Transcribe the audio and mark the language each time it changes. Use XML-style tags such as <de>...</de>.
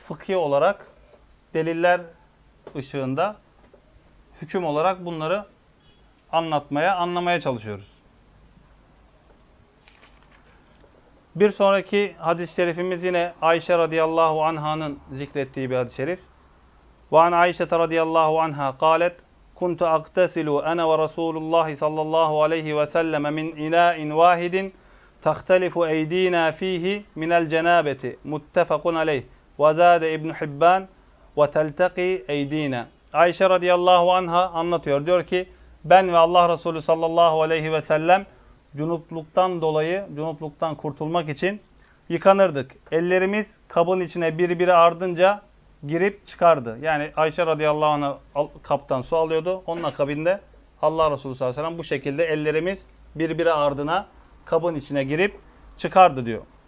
<tr>Fıkhi olarak deliller ışığında hüküm olarak bunları anlamaya çalışıyoruz. Bir sonraki hadis-i şerifimiz yine Ayşe radıyallahu anha'nın zikrettiği bir hadis-i şerif.</tr> <ar>Ve an Ayşe radıyallahu anha قالت كنت اغتسل انا ورسول الله صلى الله عليه وسلم من اناء واحد تختلف ايدينا فيه من الجنابه متفق عليه وزاد ابن حبان وتلتقي ايدينا.</ar> <tr>Ayşe radıyallahu anha anlatıyor. Diyor ki ben ve Allah Resulü sallallahu aleyhi ve sellem cunupluktan dolayı, cunupluktan kurtulmak için yıkanırdık. Ellerimiz kabın içine birbiri ardınca girip çıkardı. Yani Ayşe radıyallahu anh'a kaptan su alıyordu. Onun akabinde Allah Resulü sallallahu aleyhi ve sellem bu şekilde ellerimiz birbiri ardına kabın içine girip çıkardı diyor.</tr>